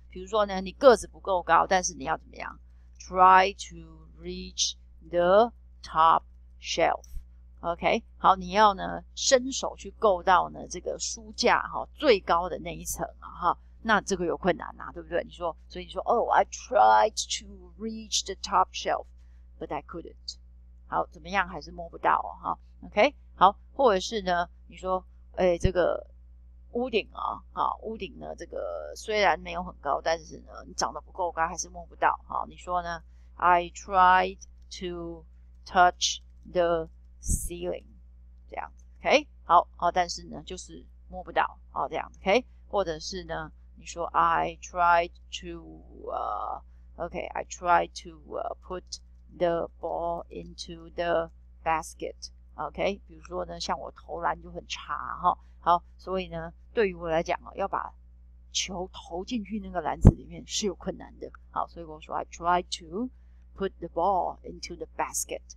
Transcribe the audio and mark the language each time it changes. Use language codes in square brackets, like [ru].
[zh] 比如说呢，你个子不够高，但是你要怎么样 ？ [en] Try to reach the top shelf. [zh] OK， 好，你要呢伸手去够到呢这个书架哈最高的那一层啊哈，那这个有困难啊，对不对？你说，所以你说 [en] ，Oh， I tried to reach the top shelf， but I couldn't. [zh] 好，怎么样，还是摸不到哈 ？OK， 好，或者是呢，你说，哎，这个。屋顶啊，好，屋顶呢，这个虽然没有很高，但是呢，你长得不够高，还是摸不到。好，你说呢 ？ [en] I tried to touch the ceiling， [zh] 这样子 ，OK， 好，好，但是呢，就是摸不到，好，这样子 ，OK， 或者是呢，你说 [en] I tried to， put the ball into the basket， [zh] OK， 比如说呢，像我投篮就很差，哈。好，所以呢，对于我来讲啊，要把球投进去那个篮子里面是有困难的。好，所以我说 [en] I try to put the ball into the basket。